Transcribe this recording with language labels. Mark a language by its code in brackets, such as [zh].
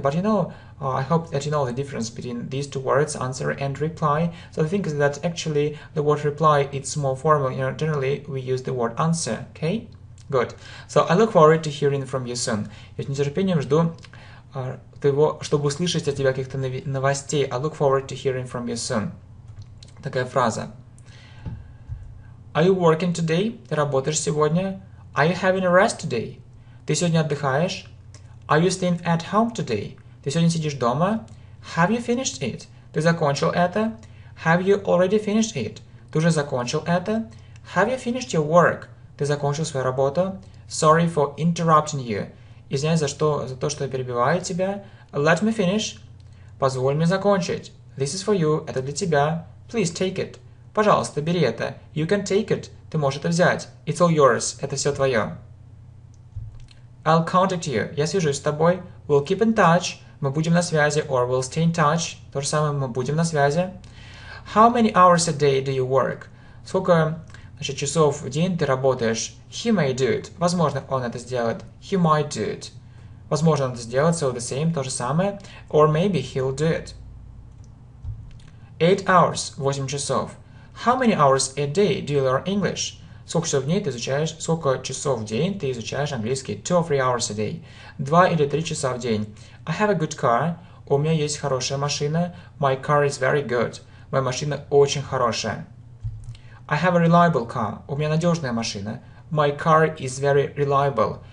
[en] But you know, I hope that you know the difference between these two words, answer and reply. So the thing is that actually the word reply, it's more formal. You know, generally we use the word answer, okay? Good. So I look forward to hearing from you soon. [ru] Я с нетерпением жду твоего, чтобы услышать от тебя каких-то новостей. [en] I look forward to hearing from you soon. [ru] Такая фраза. [en] Are you working today? [ru] Ты работаешь сегодня? [en] Are you having a rest today? [ru] Ты сегодня отдыхаешь? [en] Are you staying at home today? [ru] Ты сегодня сидишь дома? [en] Have you finished it? [ru] Ты закончил это? [en] Have you already finished it? [ru] Ты уже закончил это? [en] Have you finished your work? [ru] Ты закончил свою работу? [en] Sorry for interrupting you. [ru] Извиняюсь за то, что я перебиваю тебя. [en] Let me finish. [ru] Позволь мне закончить. [en] This is for you. [ru] Это для тебя. [en] Please take it. [ru] Пожалуйста, бери это. [en] You can take it. [ru] Ты можешь это взять. [en] It's all yours. [ru] Это все твое. [en] I'll contact you. [ru] Я свяжусь с тобой. [en] We'll keep in touch. [ru] Мы будем на связи. [en] Or we'll stay in touch. [ru] То же самое, мы будем на связи. [en] How many hours a day do you work? [ru] Сколько, значит, часов в день ты работаешь? [en] He may do it. [ru] Возможно, он это сделает. [en] He might do it. [ru] Возможно, он это сделает. [en] So the same, [ru] то же самое. [en] Or maybe he'll do it. 8 hours. [ru] 8 часов. [en] How many hours a day do you learn English? [ru] Сколько часов в день ты изучаешь английский? [en] 2 or 3 hours a day. [ru] 2 или 3 часа в день. [en] I have a good car. [ru] У меня есть хорошая машина. [en] My car is very good. [ru] Моя машина очень хорошая. [en] I have a reliable car. [ru] У меня надежная машина. [en] My car is very reliable.